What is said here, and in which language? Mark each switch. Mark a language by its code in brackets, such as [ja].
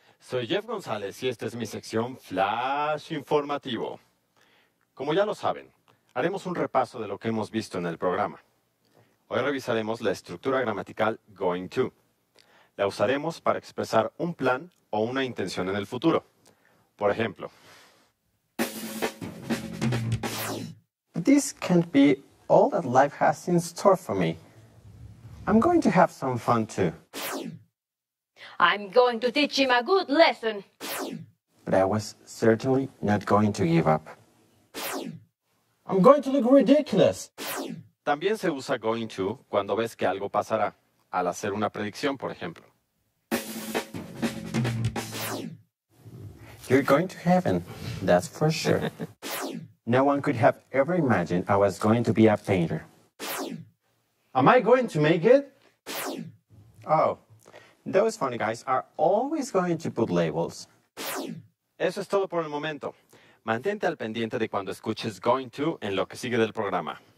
[es] Soy Jeff González y esta es mi sección Flash Informativo. Como ya lo saben, haremos un repaso de lo que hemos visto en el programa. Hoy revisaremos la estructura gramatical going to. La usaremos para expresar un plan o una intención en el futuro. Por ejemplo, [en] this can't be all that life has in store for me. I'm going to have some fun too. I'm going to teach him a good lesson. But I was certainly not going to give up. I'm going to look ridiculous. [es] También se usa going to cuando ves que algo pasará, al hacer una predicción, por ejemplo. [en] You're going to heaven, that's for sure. No one could have ever imagined I was going to be a painter. Am I going to make it? Oh, those funny guys are always going to put labels. [es] Eso es todo por el momento. Mantente al pendiente de cuando escuches going to en lo que sigue del programa.